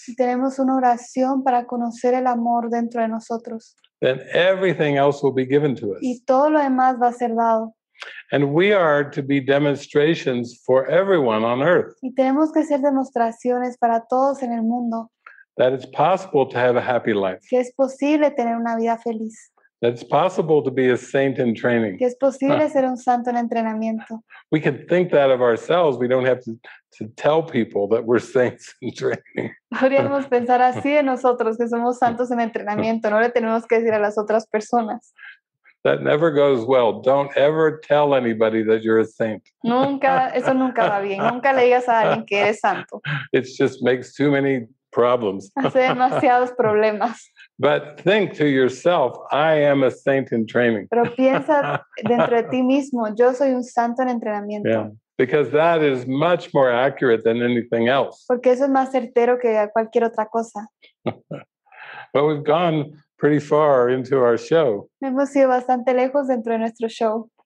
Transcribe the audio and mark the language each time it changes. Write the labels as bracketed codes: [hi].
[es] Si tenemos una oración para conocer el amor dentro de nosotros, [en] then everything else will be given to us. [es] Y todo lo demás va a ser dado. [en] And we are to be demonstrations for everyone on earth. [es] Y tenemos que ser demostraciones para todos en el mundo. [en] That it's possible to have a happy life. [es] Que es posible tener una vida feliz. [en] That it's possible to be a saint in training. [es] Que es posible ser un santo en entrenamiento. [en] We can think that of ourselves. We don't have to tell people that we're saints in training. [es] Podríamos pensar así de nosotros, que somos santos en entrenamiento. No le tenemos que decir a las otras personas. [en] That never goes well. Don't ever tell anybody that you're a saint. [es] Nunca, eso nunca va bien. Nunca le digas a alguien que eres santo. [en] It just makes too many problems. [es] Hace demasiados problemas. [en] But think to yourself, I am a saint in training. [es] Pero piensa dentro de ti mismo, yo soy un santo en entrenamiento. [en] Yeah. Because that is much more accurate than anything else. [es] Porque eso es más certero que cualquier otra cosa. [en] But we've gone pretty far into our show. [es] Hemos ido bastante lejos dentro de nuestro show.